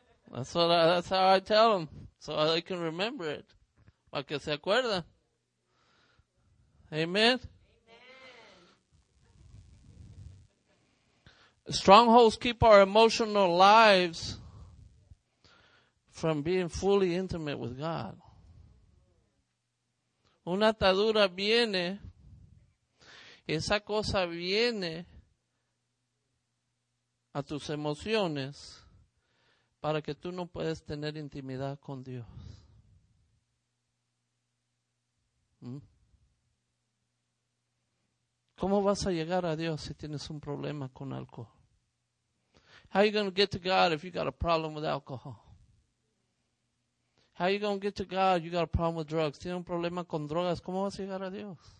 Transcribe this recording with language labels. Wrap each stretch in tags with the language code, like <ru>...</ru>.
<en>That's how I tell them, so they can remember it.</en> <es>Para que se acuerdan.</es> <en>Amen. Strongholds keep our emotional lives from being fully intimate with God.</en> <es>Una atadura viene. Esa cosa viene a tus emociones para que tú no puedas tener intimidad con Dios. ¿Cómo vas a llegar a Dios si tienes un problema con alcohol?</es> <en>How you gonna get to God if you got a problem with alcohol? How you gonna get to God if you got a problem with drugs?</en> <es>Tienes un problema con drogas, ¿cómo vas a llegar a Dios?</es>